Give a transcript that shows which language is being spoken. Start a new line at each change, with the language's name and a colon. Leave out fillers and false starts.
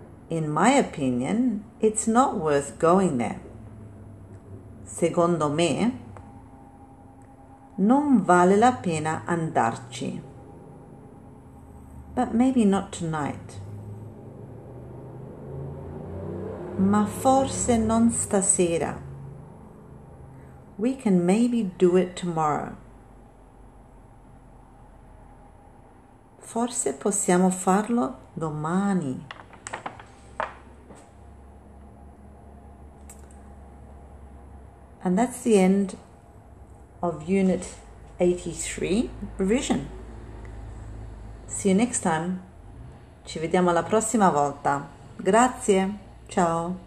English: In my opinion, it's not worth going there.
Italian: Secondo me, non vale la pena andarci.
English: But maybe not tonight.
Italian: Ma forse non stasera.
English: We can maybe do it tomorrow.
Italian: Forse possiamo farlo domani.
English: And that's the end of Unit 83, Revision. See you next time.
Italian: Ci vediamo la prossima volta. Grazie. Ciao.